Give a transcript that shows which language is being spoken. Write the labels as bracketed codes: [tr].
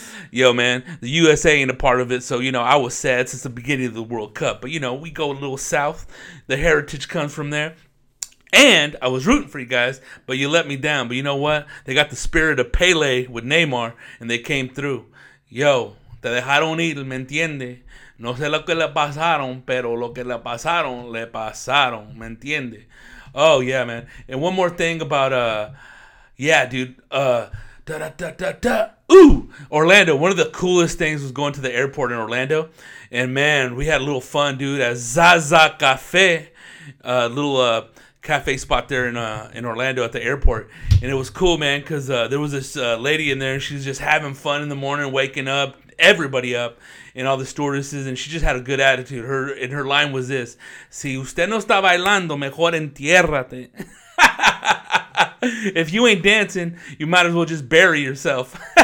[en] Yo, man, the USA ain't a part of it, so, you know, I was sad since the beginning of the World Cup. But, you know, we go a little south. The heritage comes from there. And I was rooting for you guys, but you let me down. But you know what? They got the spirit of Pele with Neymar, and they came through. [es] Yo, te dejaron ir, ¿me entiende? No sé lo que le pasaron, pero lo que le pasaron, ¿me entiende? [en] Oh, yeah, man. And one more thing about, yeah, dude, da-da-da-da-da. Ooh, Orlando. One of the coolest things was going to the airport in Orlando. And, man, we had a little fun, dude, at Zaza Cafe. A little cafe spot there in Orlando at the airport. And it was cool, man, because there was this lady in there. And she was just having fun in the morning, waking up everybody up and all the stewardesses. And she just had a good attitude. Her line was this. [es] Si usted no está bailando, mejor entiérrate. [en] If you ain't dancing, you might as well just bury yourself.